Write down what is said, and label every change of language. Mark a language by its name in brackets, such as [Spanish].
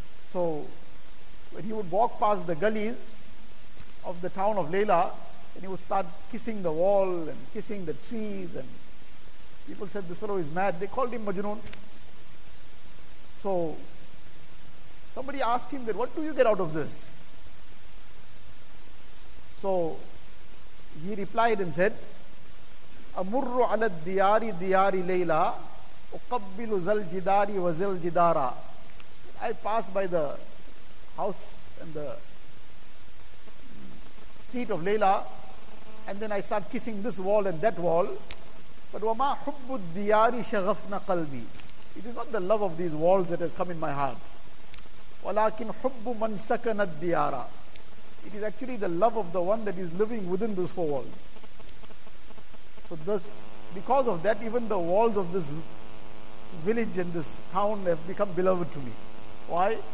[English] So when he would walk past the gullies of the town of Layla, and he would start kissing the wall and kissing the trees, and people said, this fellow is mad. They called him Majnun. So somebody asked him that, what do you get out of this? [Arabic] So he replied and said, أمر على الديار ديار ليلى أقبل ذل جدار وذل جدارا. [English] I pass by the house and the street of Layla, and then I start kissing this wall and that wall. But [Arabic] وما حب الديار شغفنا قلبي. [English] It is not the love of these walls that has come in my heart. [Arabic] ولكن حب من سكن الديار. [English] It is actually the love of the one that is living within those four walls. So thus, because of that, even the walls of this village and this town have become beloved to me. Why?